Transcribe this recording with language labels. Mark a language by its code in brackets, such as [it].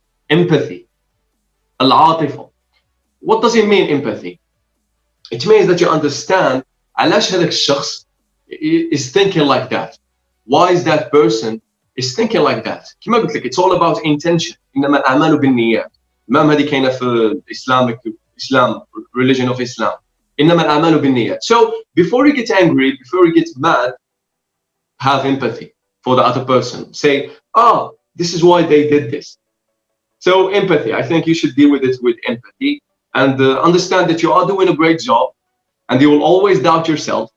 [en] Empathy. العاطفة. What does it mean, empathy? It means that you understand [ar] علاش هذاك الشخص [en] is thinking like that. Why is that person is thinking like that? [ar] كما قلت لك, [en] it's all about intention. [ar] إنما الأعمال بالنيات. المهم هذه كاينة في [en] Islamic, Islam, religion of Islam. [ar] إنما الأعمال بالنيات. [en] So, before you get angry, before you get mad, have empathy for the other person. Say, oh, this is why they did this. So empathy, I think you should deal with it with empathy and understand that you are doing a great job and you will always doubt yourself.